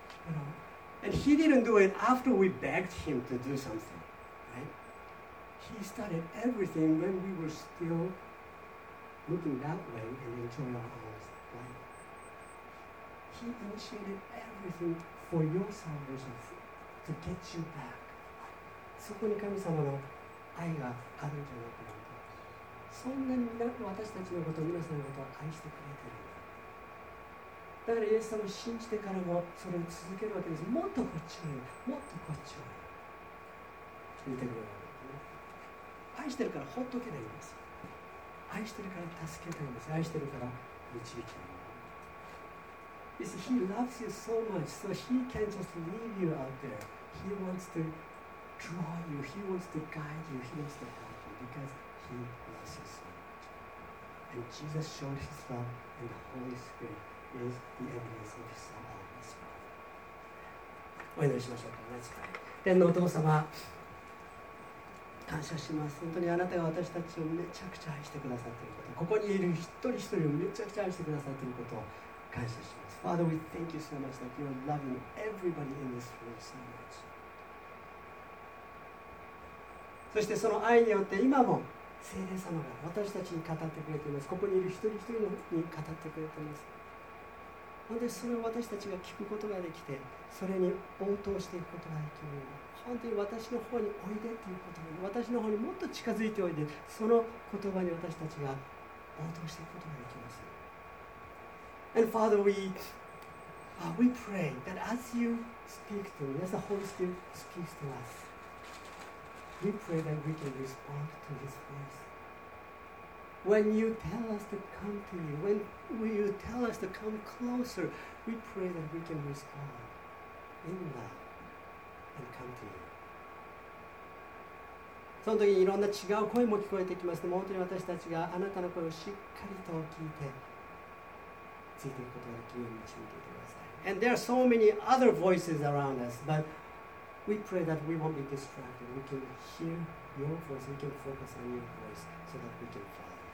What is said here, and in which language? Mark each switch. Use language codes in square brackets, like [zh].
[en] You know, and He didn't do it after we begged Him to do something, right? He started everything when we were still looking that way and enjoy your eyes blind. He initiated everything for your salvation to get you back. [ja] そこに神様の愛があるんじゃないかなと。そんなに私たちのこと、皆さんのことを愛してくれてる。だからイエス様を信じてからもそれを続けるわけです。もっとこっちを、もっとこっちを見てくれる。愛してるからほっとけないんです。愛してるから助けたいんです。愛してるから導きたいんです。 [en] He loves you so much, so he can't just leave you out there. He wants to draw you, he wants to guide you, he wants to help you, because he loves you so much. And Jesus showed his love, and the Holy Spirit is the evidence of his love on this earth. [ja] お祈りしましょうか。 [en] Let's pray. [ja] 天のお父様、感謝します。本当にあなたが私たちをめちゃくちゃ愛してくださっていること、ここにいる一人一人をめちゃくちゃ愛してくださっていることを感謝します。 [en] Father, we thank you so much that you are loving everybody in this room so much. [ja] そしてその愛によって今も聖霊様が私たちに語ってくれています。ここにいる一人一人のに語ってくれています。本当にそれを私たちが聞くことができて、それに応答していくことができる、本当に私の方においでということに、私の方にもっと近づいておいで、その言葉に私たちが応答していくことができます。 [en] And Father, we pray that as you speak to us, as the Holy Spirit speaks to us, we pray that we can respond to His voice. When you tell us to come to you, when you tell us to come closer, we pray that we can respond in love. And come to you. [ja] その時にいろんな違う声も聞こえてきます。でも本当に私たちがあなたの声をしっかりと聞いてついていくことができるように導いてください。 [en] And there are so many other voices around us, but we pray that we won't be distracted. We can hear your voice. We can focus on your voice so that we can follow.